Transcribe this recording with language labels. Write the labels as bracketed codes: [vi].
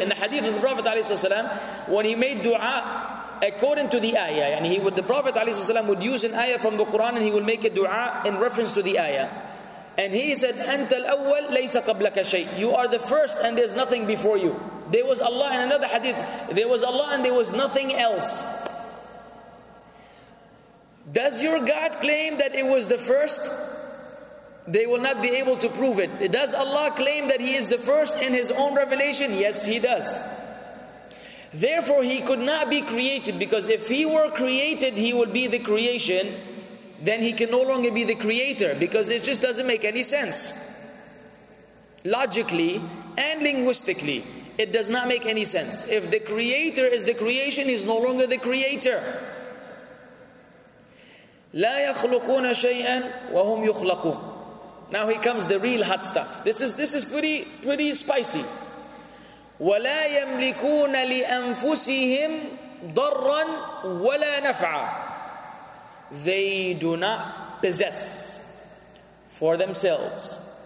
[en] In the hadith of the Prophet [ar] عليه الصلاة والسلام, [en] when he made dua according to the ayah, and he would, the Prophet عليه الصلاة والسلام would use an ayah from the Quran and he would make a dua in reference to the ayah. [ar] And he said, أنت الأول ليس قبلك شيء. [en] You are the first and there's nothing before you. There was Allah in another hadith. There was Allah and there was nothing else. Does your God claim that it was the first? They will not be able to prove it. Does Allah claim that He is the first in His own revelation? Yes, He does. Therefore, He could not be created, because if He were created, He would be the creation. Then He can no longer be the creator, because it just doesn't make any sense. Logically and linguistically, it does not make any sense. If the creator is the creation, He's no longer the creator. [ar] لا يخلقون شيئا وهم يخلقون. [en] Now he comes the real hot stuff. This is pretty spicy. [ar] وَلَا يَمْلِكُونَ لِأَنفُسِهِمْ ضَرًّا وَلَا نَفْعًا. [en] They do not possess for themselves.